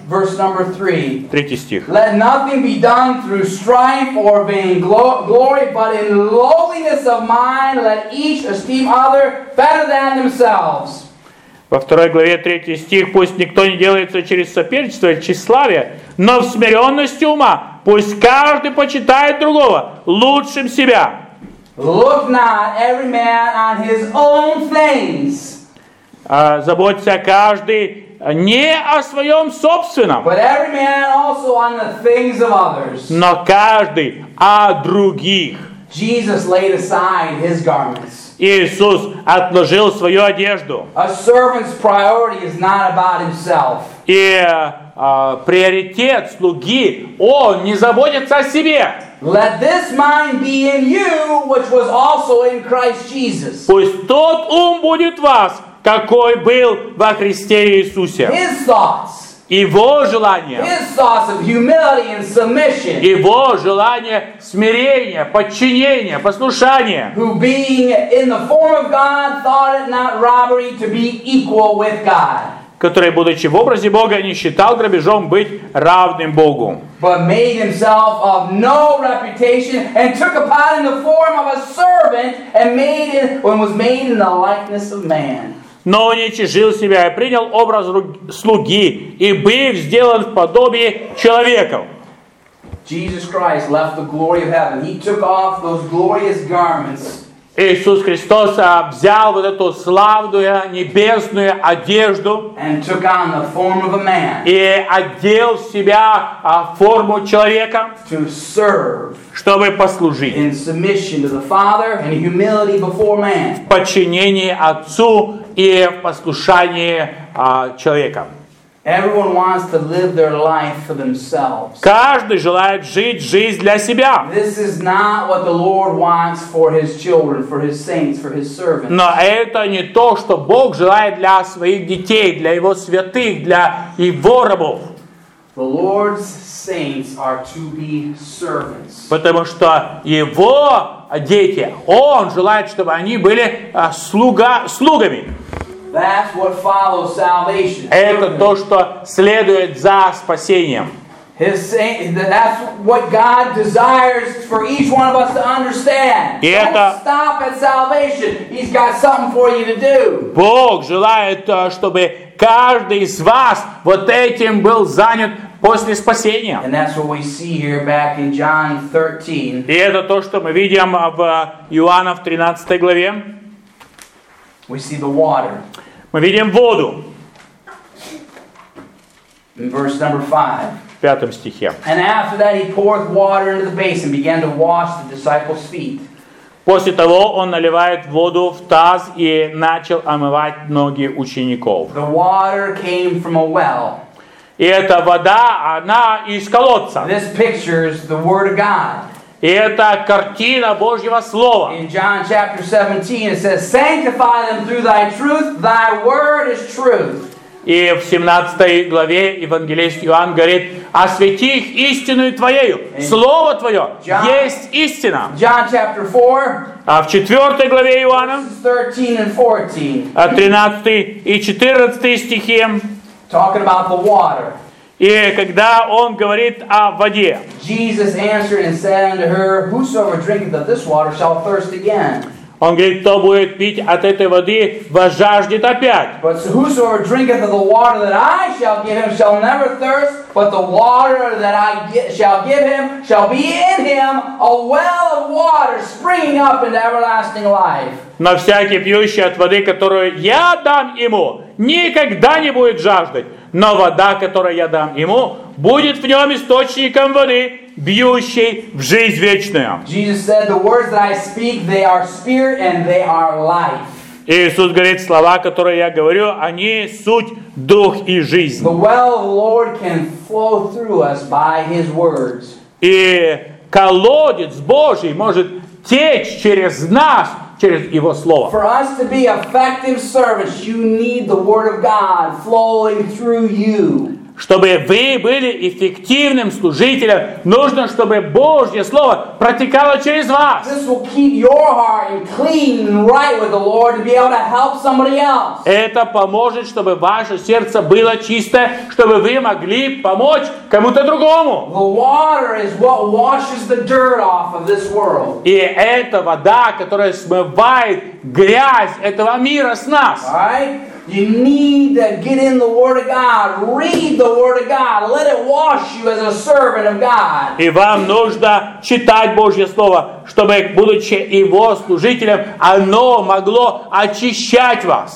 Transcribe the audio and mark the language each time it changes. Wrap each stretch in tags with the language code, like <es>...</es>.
<en>Verse number 3.</en> <ru>Третий стих.</ru> <en>Let nothing be done through strife or vain glory, but in lowliness of mind let each esteem other better than themselves.</en> <ru>Во второй главе, третий стих. Пусть никто не делается через соперничество или тщеславие, но в смиренности ума пусть каждый почитает другого лучшим себя.</ru> <en>Look not every man on his own things.</en> <ru>Заботься каждый не о своем собственном,</ru> <en>but every man also on the things of others.</en> <ru>Но каждый о других.</ru> <en>Jesus laid aside his garments.</en> <ru>Иисус отложил свою одежду.</ru> <en>A servant's priority is not about himself.</en> <ru>И приоритет слуги, он не заботится о себе.</ru> <en>Let this mind be in you, which was also in Christ Jesus.</en> <ru>Пусть тот ум будет в вас, какой был во Христе Иисусе.</ru> <en>His thoughts.</en> <ru>Его желание.</ru> <en>His thoughts of humility and submission.</en> <ru>Его желание смирения, подчинения, послушания.</ru> <en>Who being in the form of God, thought it not robbery to be equal with God.</en> <ru>Который, будучи в образе Бога, не считал грабежом быть равным Богу.</ru> <en>But made himself of no reputation and took upon the form of a servant and made it when was made in the likeness of man.</en> <ru>Но уничижил себя и принял образ слуги и быв сделан в подобии человека.</ru> <en>Jesus Christ left the glory of heaven. He took off those glorious garments.</en> <ru>Иисус Христос взял вот эту славную небесную одежду</ru> <en>and took on the form of a man</en> <ru>и одел в себя форму человека,</ru> <en>to serve</en> <ru>чтобы послужить</ru> <en>in submission to the Father and humility before man.</en> <ru>В подчинении Отцу и в послушании человека.</ru> <en>Everyone wants to live their life for themselves.</en> <ru>Каждый желает жить жизнь для себя.</ru> <en>This is not what the Lord wants for His children, for His saints, for His servants.</en> <ru>Но это не то, что Бог желает для своих детей, для Его святых, для Его рабов.</ru> <en>The Lord's saints are to be servants.</en> <ru>Потому что Его дети, Он желает, чтобы они были слугами.</ru> <en>That's what follows salvation.</en> <ru>Это то, что следует за спасением.</ru> <en>His saying, that's what God desires for each one of us to understand. Don't stop at salvation. He's got something for you to do.</en> <ru>Бог желает, чтобы каждый из вас вот этим был занят после спасения.</ru> <en>And that's what we see here back in John 13.</en> <ru>И это то, что мы видим в Иоанна в 13 главе.</ru> <en>We see the water.</en> <ru>Мы видим воду.</ru> <en>In verse number 5.</en> <ru>В пятом стихе.</ru> <en>And after that he poured water into the basin and began to wash the disciples' feet.</en> <ru>После того он наливает воду в таз и начал омывать ноги учеников.</ru> <en>The water came from a well.</en> <ru>И эта вода, она из колодца.</ru> <en>This pictures the word of God.</en> <ru>И это картина Божьего Слова.</ru> <en>In John chapter 17 it says, sanctify them through thy truth, thy word is truth.</en> <ru>И в 17 главе Евангелист Иоанн говорит, освяти их истиною твоею, слово твое есть истина.</ru> <en>John chapter 4,</en> <ru>а в 4 главе Иоанна,</ru> <en>13, and 14,</en> <ru>13 и 14 стихи,</ru> <en>talking about the water.</en> <ru>И когда он говорит о воде.</ru> <en>Jesus answered and said unto her, whosoever drinketh of this water shall thirst again.</en> <ru>Он говорит, кто будет пить от этой воды, возжаждет опять.</ru> <en>But whosoever drinketh of the water that I shall give him shall never thirst, but the water that I shall give him shall be in him a well of water springing up into everlasting life.</en> <ru>Но всякий пьющий от воды, которую я дам ему, никогда не будет жаждать. Но вода, которую я дам ему, будет в нем источником воды, бьющей в жизнь вечную.</ru> <en>Jesus said, the words that I speak, they are spirit and they are life.</en> <ru>Иисус говорит, слова, которые я говорю, они суть, дух и жизнь.</ru> <en>The well of the Lord can flow through us by His words.</en> <ru>И колодец Божий может течь через нас, через Его Слово.</ru> <en>For us to be effective servants, you need the Word of God flowing through you.</en> <ru>Чтобы вы были эффективным служителем, нужно, чтобы Божье Слово протекало через вас.</ru> <en>This will keep your heart clean and right with the Lord to be able to help somebody else.</en> <ru>Это поможет, чтобы ваше сердце было чистое, чтобы вы могли помочь кому-то другому.</ru> <en>The water is what washes the dirt off of this world.</en> <ru>И это вода, которая смывает грязь этого мира с нас.</ru> <en>You need to get in the Word of God, read the Word of God, let it wash you as a servant of God.</en> <ru>И вам нужно читать Божье Слово, чтобы, будучи Его служителем, оно могло очищать вас.</ru>